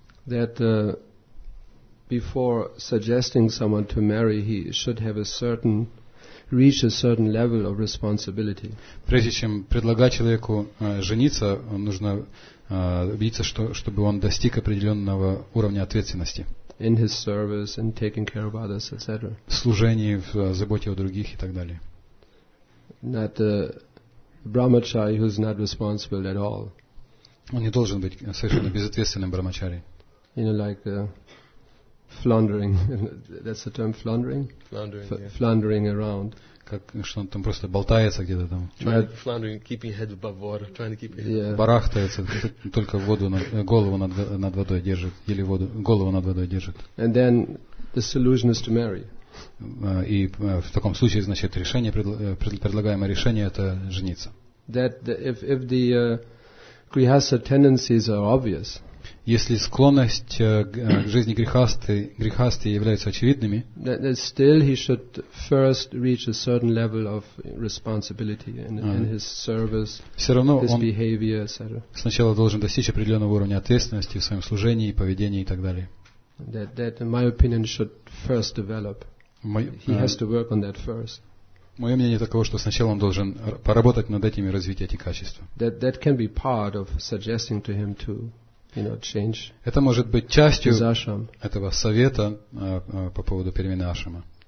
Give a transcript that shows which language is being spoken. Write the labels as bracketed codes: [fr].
[en] That before suggesting someone to marry, he should have reach a certain level of responsibility. [ru] Прежде чем предлагать человеку жениться, нужно убедиться, чтобы он достиг определенного уровня ответственности. [en] In his service, in taking care of others, etc. [ru] В служении, в заботе о других и так далее. [en] Not a brahmachari who's not responsible at all. [ru] Он не должен быть совершенно безответственным брахмачари. [en] You know, like floundering. That's the term, floundering? Floundering around. [ru] Как, что он там просто болтается где-то там. [en] Floundering, keeping head above water. Trying to keep his head above. [ru] Барахтается, только голову над водой держит. Или голову над водой держит. [en] And then the solution is to marry. [ru] И в таком случае, значит, предлагаемое решение это жениться. [en] That if the grihastha tendencies are obvious. [ru] если склонность к жизни грехасты являются очевидными, [en] still he should first reach a certain level of responsibility in his service, [ru] все равно [en] his [ru] он [en] behavior, etc. [ru] сначала должен достичь определенного уровня ответственности в своем служении, поведении и так далее. [en] That in my opinion should first develop. He has to work on that first. [ru] Мое мнение таково, что сначала он должен поработать над этим и развить эти качества. [en] That can be part of suggesting to him to, you know, change. [ru] Это может быть частью этого совета по поводу перемены ашрама.